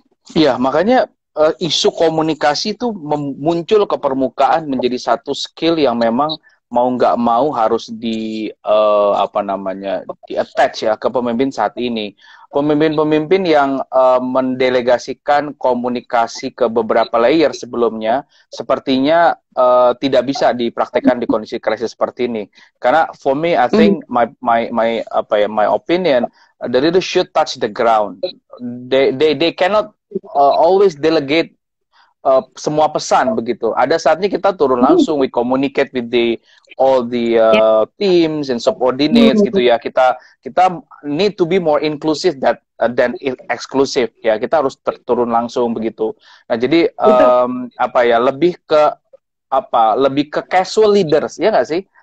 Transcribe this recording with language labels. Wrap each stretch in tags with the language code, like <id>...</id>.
<id>Iya, makanya isu komunikasi itu muncul ke permukaan menjadi satu skill yang memang mau nggak mau harus di apa namanya di attach ya ke pemimpin saat ini. Pemimpin-pemimpin yang mendelegasikan komunikasi ke beberapa layer sebelumnya sepertinya tidak bisa dipraktikkan di kondisi krisis seperti ini. Karena</id> <en>for me, I think my opinion, the leader should touch the ground. They cannot always delegate</en> <id>semua pesan begitu. Ada saatnya kita turun langsung,</id> <en>we communicate with all the teams and subordinates</en> <id>gitu ya. Kita</id> <en>need to be more inclusive than exclusive ya.</en> <id>Kita harus turun langsung begitu. Nah, jadi lebih ke casual leaders ya enggak sih?</id>